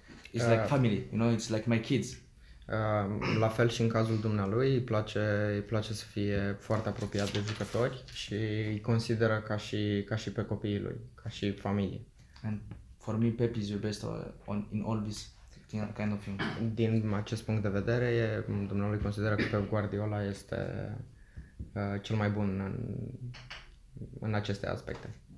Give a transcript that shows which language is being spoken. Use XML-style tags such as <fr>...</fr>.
<en>It's like family, you know, it's like my kids.</en> <ro>La fel și în cazul dumnealui, îi place să fie foarte apropiat de jucători și îi consideră ca și pe copiii lui, ca și familie.</ro> <en>And for me, Pep is the best in all this kind of thing.</en> <ro>Din acest punct de vedere, dumnealui consideră că Pep Guardiola este cel mai bun în aceste aspecte.</ro>